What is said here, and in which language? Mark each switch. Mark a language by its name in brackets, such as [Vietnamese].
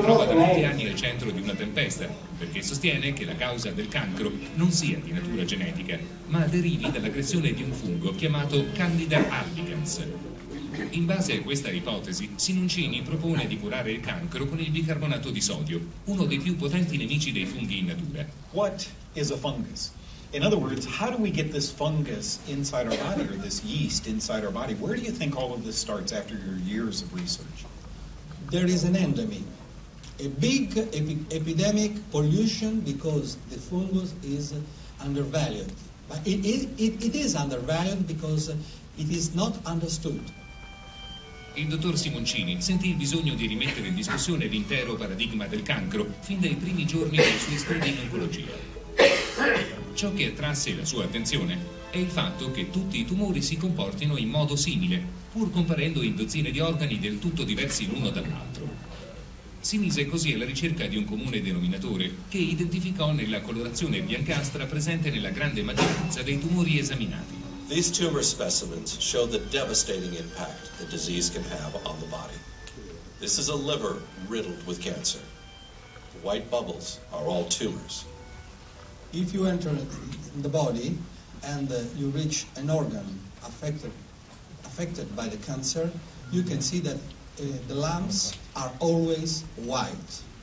[Italian] trova da molti anni al centro di una tempesta perché sostiene che la causa del cancro non sia di natura genetica ma derivi dall'aggressione di un fungo chiamato Candida albicans. In base a questa ipotesi, Sinuncini propone di curare il cancro con il bicarbonato di sodio, uno dei più potenti nemici dei funghi in natura. [English] What is a fungus? In other words, how do we get this fungus inside our body, or this yeast inside our body? Where do you think all of this starts after your years of research? There is an endemic, a big epidemic pollution because the fungus is undervalued. But it is undervalued because it is not understood. [Italian] Il dottor Simoncini sentì il bisogno di rimettere in discussione l'intero paradigma del cancro fin dai primi giorni dei suoi studi in oncologia. Ciò che attrasse la sua attenzione è il fatto che tutti i tumori si comportino in modo simile, pur comparendo in dozzine di organi del tutto diversi l'uno dall'altro. Si mise così alla ricerca di un comune denominatore che identificò nella colorazione biancastra presente nella grande maggioranza dei tumori esaminati. [English] These tumor specimens show the devastating impact the disease can have on the body. This is a liver riddled with cancer. The white bubbles are all tumors. If you enter the body and you reach an organ affected by the cancer, you can see that the lumps are always white.